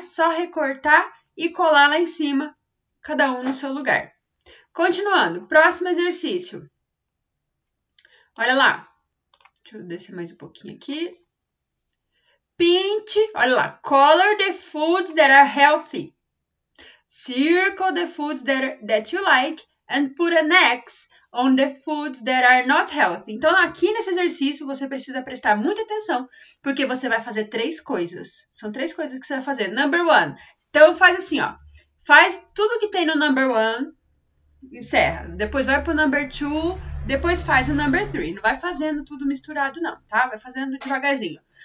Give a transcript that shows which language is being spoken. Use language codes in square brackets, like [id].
[pt] Só recortar e colar lá em cima, cada um no seu lugar. Continuando, próximo exercício. Olha lá. Deixa eu descer mais um pouquinho aqui. Pinte, olha lá. [en] Color the foods that are healthy. Circle the foods that you like and put an X on the foods that are not healthy. [pt] Então, aqui nesse exercício, você precisa prestar muita atenção, porque você vai fazer três coisas. São três coisas que você vai fazer. Number one. Então, faz assim, ó. Faz tudo que tem no number one, encerra. Depois vai pro number two, depois faz o number three. Não vai fazendo tudo misturado, não, tá? Vai fazendo devagarzinho.